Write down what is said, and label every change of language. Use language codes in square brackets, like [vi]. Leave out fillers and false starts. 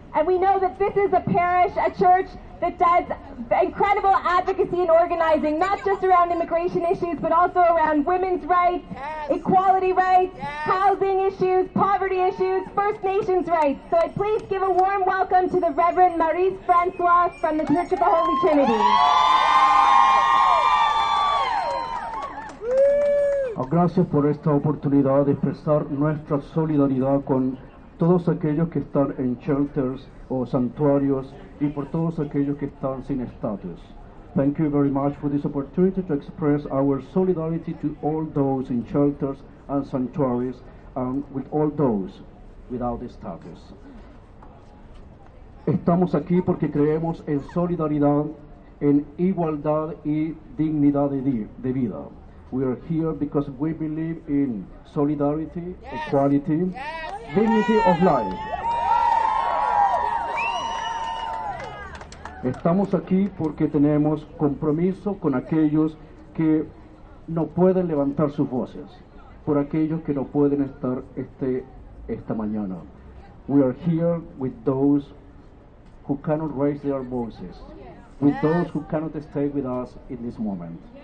[en] And we know that this is a parish, a church, that does incredible advocacy and organizing, not just around immigration issues, but also around women's rights, yes, equality rights, yes, housing issues, poverty issues, First Nations rights. So I please give a warm welcome to the Reverend Maurice Francois from the Church of the Holy Trinity. [es] Oh, gracias por esta oportunidad de expresar nuestra solidaridad con todos aquellos que están en shelters o santuarios y por todos aquellos que están sin estatus. [en] Thank you very much for this opportunity to express our solidarity to all those in shelters and sanctuaries and with all those without status. [es] Estamos aquí porque creemos en solidaridad, en igualdad y dignidad de vida. [en] We are here because we believe in solidarity, yes, equality, yes, dignity of life. [es] Estamos aquí porque tenemos compromiso con aquellos que no pueden levantar sus voces, por aquellos que no pueden estar esta mañana. [en] We are here with those who cannot raise their voices, with those who cannot stay with us in this moment.